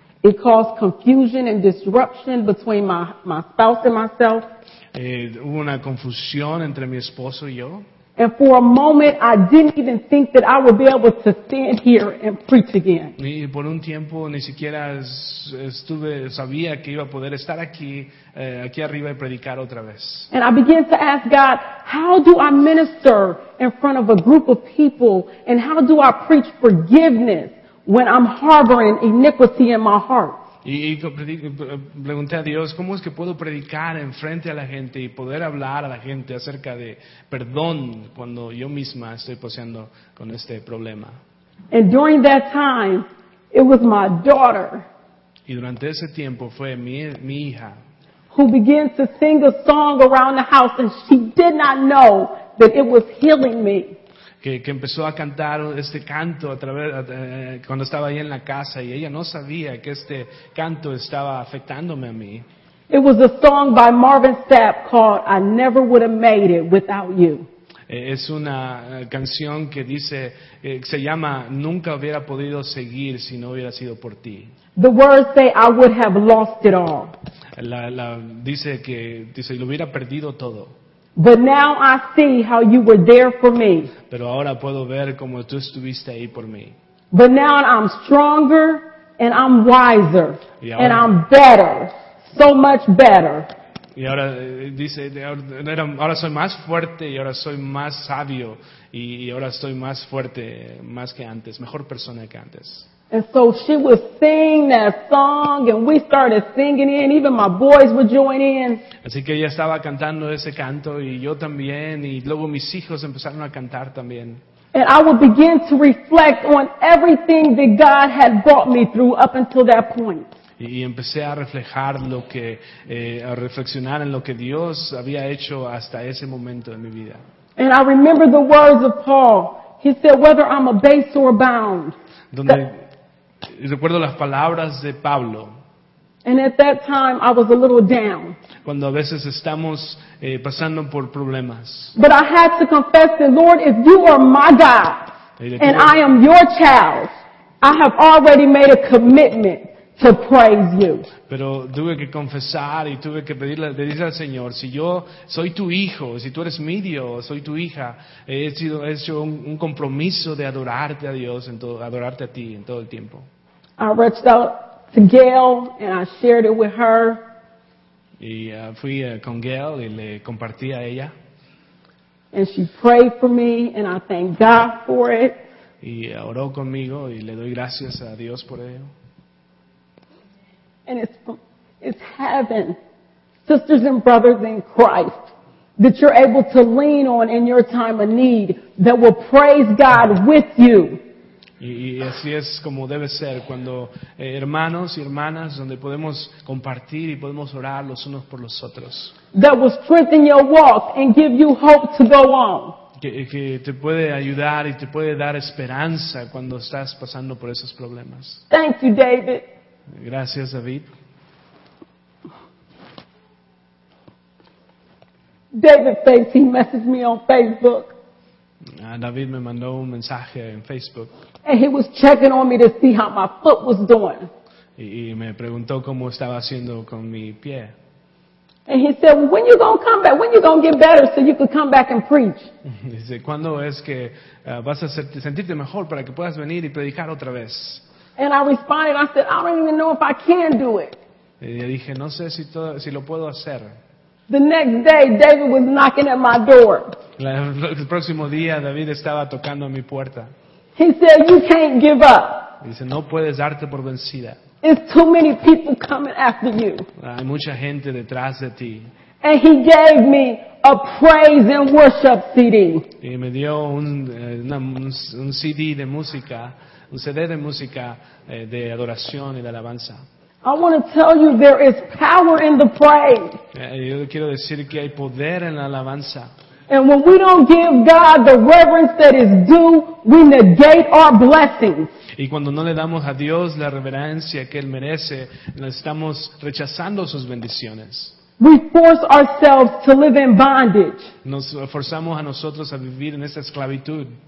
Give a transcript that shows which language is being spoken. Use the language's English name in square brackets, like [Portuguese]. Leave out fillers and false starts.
[English] It caused confusion and disruption between my spouse and myself. [Spanish] Hubo una confusión entre mi esposo y yo. [English] And for a moment, I didn't even think that I would be able to stand here and preach again. [Spanish] Y por un tiempo ni siquiera sabía que iba a poder estar aquí arriba y predicar otra vez. [English] And I began to ask God, how do I minister in front of a group of people, and how do I preach forgiveness when I'm harboring iniquity in my heart? [Spanish] Y pregunté a Dios, ¿cómo es que puedo predicar en frente a la gente y poder hablar a la gente acerca de perdón cuando yo misma estoy paseando con este problema? [English] And during that time, it was my daughter. [Spanish] Y durante ese tiempo fue mi hija. [English] Who began to sing a song around the house, and she did not know that it was healing me. [Spanish] Que empezó a cantar este canto cuando estaba ahí en la casa, y ella no sabía que este canto estaba afectándome a mí. [English] It was a song by Marvin Sapp called I Never Would Have Made It Without You. [Spanish] Es una canción que dice, se llama Nunca Hubiera Podido Seguir Si No Hubiera Sido Por Ti. [English] The words say I would have lost it all. [Spanish] Dice lo hubiera perdido todo. [English] But now I see how you were there for me. [Spanish] Pero ahora puedo ver cómo tú estuviste ahí por mí. [English] But now I'm stronger and I'm wiser and I'm better, so much better. [Spanish] Y ahora dice, ahora soy más fuerte y ahora soy más sabio y ahora estoy más fuerte más que antes, mejor persona que antes. [English] And so she would sing that song, and we started singing in. Even my boys would join in. [Spanish] Así que ella estaba cantando ese canto, y yo también, y luego mis hijos empezaron a cantar también. [English] And I would begin to reflect on everything that God had brought me through up until that point. [Spanish] Y empecé a reflejar a reflexionar en lo que Dios había hecho hasta ese momento en mi vida. [English] And I remember the words of Paul. He said, "Whether I'm a base or bound." [Spanish] Y recuerdo las palabras de Pablo. [English] And at that time, I was a little down. [Spanish] Cuando a veces estamos pasando por problemas. [English] But I had to confess that, Lord, if you are my God and I am your child, I have already made a commitment to praise you. [Spanish] Pero tuve que confesar y tuve que pedirle al Señor, si yo soy tu hijo, si tú eres mi Dios, soy tu hija, he hecho un compromiso de adorarte a Dios, adorarte a ti en todo el tiempo. [English] I reached out to Gail and I shared it with her. [Spanish] Y fui con Gail y le compartí a ella. [English] And she prayed for me, and I thank God for it. [Spanish] Y oró conmigo y le doy gracias a Dios por ello. [English] And it's heaven, sisters and brothers in Christ, that you're able to lean on in your time of need, that will praise God with you. [Spanish] Y así es como debe ser, cuando hermanos y hermanas, donde podemos compartir y podemos orar los unos por los otros. [English] That will strengthen your walk and give you hope to go on. [Spanish] Que te puede ayudar y te puede dar esperanza cuando estás pasando por esos problemas. [English] Thank you, David. [Spanish] Gracias, David. [English] David thinks he messaged me on Facebook. [Spanish] David me mandó un mensaje en Facebook. [English] And he was checking on me to see how my foot was doing. [Spanish] Y me preguntó cómo estaba haciendo con mi pie. [English] And he said, well, when you gonna come back? When you gonna get better so you could come back and preach? [Spanish] Dice, ¿cuándo es que vas a sentirte mejor para que puedas venir y predicar otra vez? [English] And I responded, I said, I don't even know if I can do it. [Spanish] Y dije, no sé si lo puedo hacer. [English] The next day, David was knocking at my door. [Spanish] El próximo día, David estaba tocando a mi puerta. [English] He said, you can't give up. [Spanish] Dice, no puedes darte por vencida. [English] It's too many people coming after you. [Spanish] Hay mucha gente detrás de ti. [English] And he gave me a praise and worship CD. [Spanish] Y me dio un CD de música, un CD de música de adoración y de alabanza. [English] I want to tell you there is power in the praise. [Spanish] Yo quiero decir que hay poder en la alabanza. [English] And when we don't give God the reverence that is due, we negate our blessings. [Spanish] Y cuando no le damos a Dios la reverencia que Él merece, estamos rechazando sus bendiciones. [English] We force ourselves to live in bondage. [Spanish] Nos forzamos a nosotros a vivir en esa esclavitud.